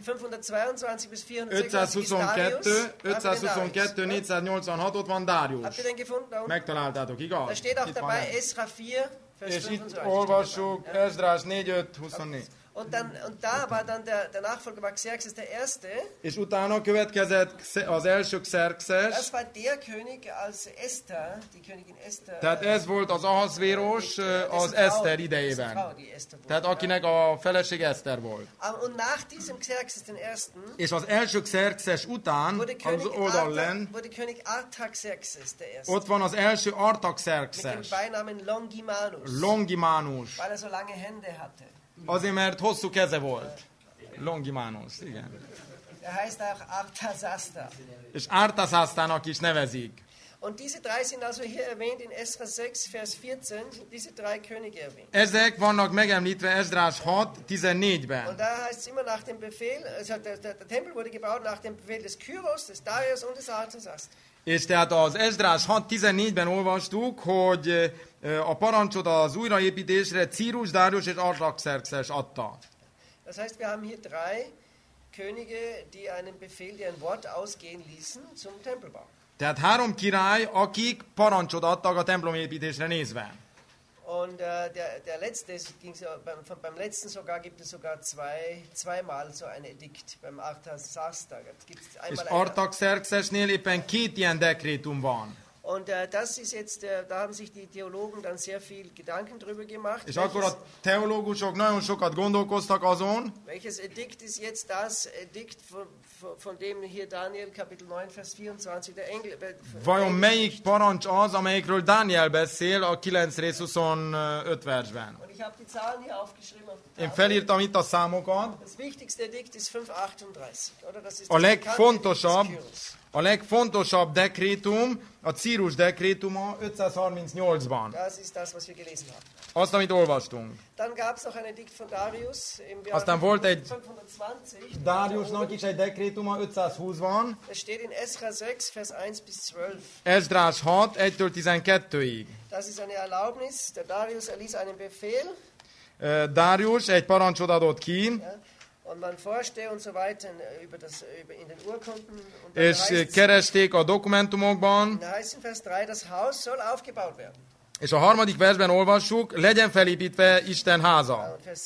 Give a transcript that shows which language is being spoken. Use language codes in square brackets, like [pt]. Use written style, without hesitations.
[de] 522 bis 422, 486, [hu] ott van Darius. [de] Habt ihr den gefunden da unten? [hu] Megtaláltátok, igaz? [de] Da steht auch dabei Esra 4... [hu] És itt olvassuk Esdrás 4:5-24. [de] Und da war dann der Nachfolger war Xerxes der erste. [hu] És utána következett az első Xerxes. [de] Das war der König als Esther, die Königin Esther. [hu] Tehát ez volt az Ahasverus az Eszter idejében. Tehát akinek a felesége Eszter volt. [de] Und nach diesem Xerxes den ersten. [hu] És az első Xerxes után az oldal lent. [de] Wurde König Artaxerxes der erste. [hu] Ott van az első Artaxerxes. [de] Mit dem Beinamen Longimanus. [hu] Longimanus. [de] Weil er so lange Hände hatte. [hu] Azért, mert hosszú keze volt. Longimanus, igen. [de] Er heißt auch Artasasta. [hu] És Artasastának is nevezik. [de] Und diese drei sind also hier erwähnt in Esra 6, Vers 14, diese drei Könige erwähnt. [hu] Ezek vannak megemlítve Esdrás 6:14-ben. [de] Und da heißt es immer nach dem Befehl, also der Tempel wurde gebaut nach dem Befehl des Kyros, des Darius und des Artasasta. [hu] És tehát az Esdrás 6:14-ben olvastuk, hogy a parancsot az újraépítésre Círus, Dárius és Artaxerxes adta. [de] Das heißt, wir haben hier drei Könige, die einen Befehl, die ein Wort ausgehen ließen zum Tempelbau. [hu] Tehát három király, akik parancsot adtak a templomépítésre nézve. [de] Und der letzte ging so beim letzten sogar gibt es sogar zweimal so ein Edikt beim Artaxerxes. [hu] És Artaxerxesnél éppen két ilyen dekrétum van. [de] Und das ist jetzt da haben sich die Theologen dann sehr viel Gedanken drüber gemacht. [hu] És akkor a teológusok nagyon sokat gondolkoztak azon. [de] Welches Edikt ist jetzt das Edikt von dem hier Daniel Kapitel 9 Vers 24 der Engel? [hu] Vajon melyik parancs az, amelyikről Daniel beszél a 9 rész 25 versben? [de] Und ich habe die Zahlen hier aufgeschrieben. [hu] Én felírtam itt a számokat. [de] Das wichtigste Edikt ist 538, oder? Das ist [hu] a legfontosabb. A legfontosabb dekrétum, a Círus dekrétuma 538-ban. [de] Das ist das, was wir gelesen haben. [hu] Azt, amit olvastunk. [de] Dann gab's noch ein Edikt von Darius. [hu] Aztán volt egy 520, Dariusnak is egy dekrétuma 520-ban. [de] Es steht in Esra 6, Vers 1-12. [hu] Esdrás 6, 1-12-ig. [de] Das ist eine Erlaubnis, der Darius erließ einen Befehl. [hu] Darius egy parancsot adott ki. [de] Ja. Und man forschte und so weiter über das über in den Urkunden und [hu] keresték a dokumentumokban. [de] Da heißt in Vers 3, das Haus soll aufgebaut werden. [hu] És a harmadik versben olvassuk, legyen felépítve Isten háza.